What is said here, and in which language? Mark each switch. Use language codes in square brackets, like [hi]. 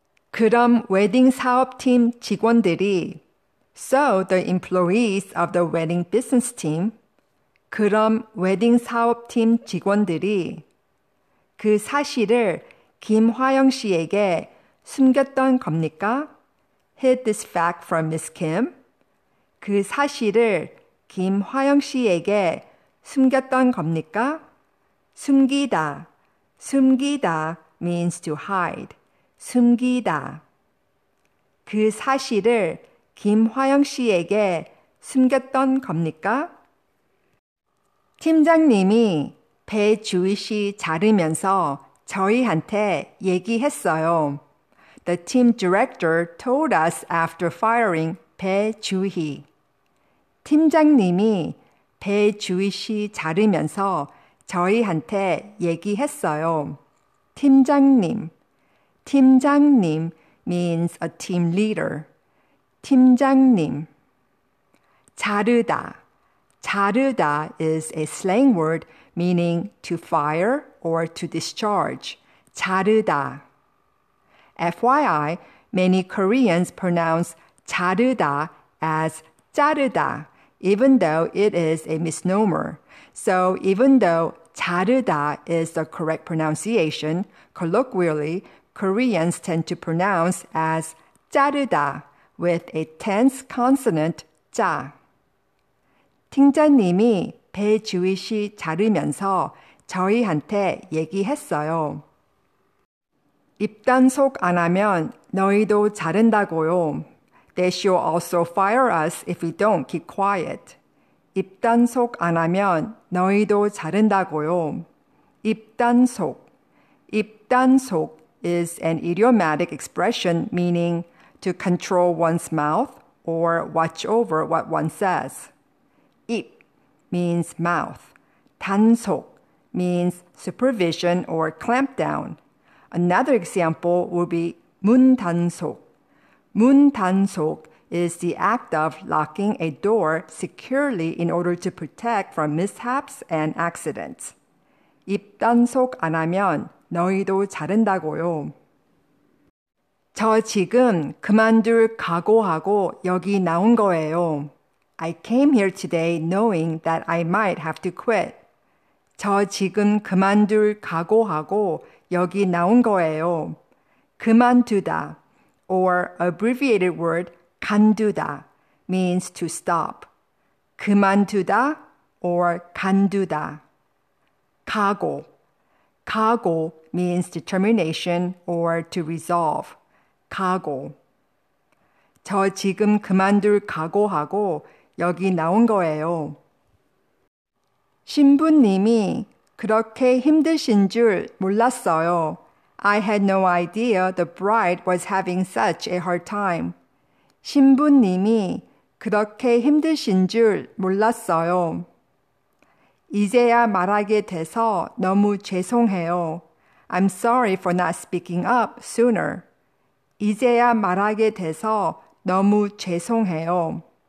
[ko] 그럼 웨딩 사업팀 직원들이 [en] So the employees of the wedding business team [ko] 그럼 웨딩 사업팀 직원들이 그 사실을 김화영 씨에게 숨겼던 겁니까? [en] Hid this fact from Miss Kim? [ko] 그 사실을 김화영 씨에게 숨겼던 겁니까? 숨기다. [en] 숨기다 means to hide. [ko] 숨기다. 그 사실을 김화영 씨에게 숨겼던 겁니까? 팀장님이 배주희 씨 자르면서 저희한테 얘기했어요. [en] The team director told us after firing 배주희. [ko] 팀장님이 배주희 씨 자르면서 저희한테 얘기했어요. 팀장님. [en] 팀장님 means a team leader. [ko] 팀장님. 자르다. [en] 자르다 is a slang word meaning to fire or to discharge. [ko] 자르다. [en] FYI, many Koreans pronounce 자르다 as 자르다, even though it is a misnomer. So even though 자르다 is the correct pronunciation. Colloquially, Koreans tend to pronounce as 자르다 with a tense consonant 자. [ko] 팀장님이 배지휘 씨 자르면서 저희한테 얘기했어요. 입단속 안 하면 너희도 자른다고요. [en] They should also fire us if we don't keep quiet. [ko] 입단속 안 하면 너희도 자른다고요. 입단속. [en] 입단속 is an idiomatic expression meaning to control one's mouth or watch over what one says. 입 means mouth. 단속 means supervision or clamp down. Another example would be 문단속. 문단속 is the act of locking a door securely in order to protect from mishaps and accidents. [ko] 입단속 안 하면 너희도 자른다고요. 저 지금 그만둘 각오하고 여기 나온 거예요. [en] I came here today knowing that I might have to quit. [ko] 저 지금 그만둘 각오하고 여기 나온 거예요. [en] 그만두다 or abbreviated word 간두다 means to stop. [ko] 그만두다 or 간두다. 각오. [en] 각오 means determination or to resolve. [ko] 각오. 저 지금 그만둘 각오하고 여기 나온 거예요. 신부님이 그렇게 힘드신 줄 몰랐어요. [en] I had no idea the bride was having such a hard time. [ko] 신부님이 그렇게 힘드신 줄 몰랐어요. 이제야 말하게 돼서 너무 죄송해요. [en] I'm sorry for not speaking up sooner. [ko] 이제야 말하게 돼서 너무 죄송해요.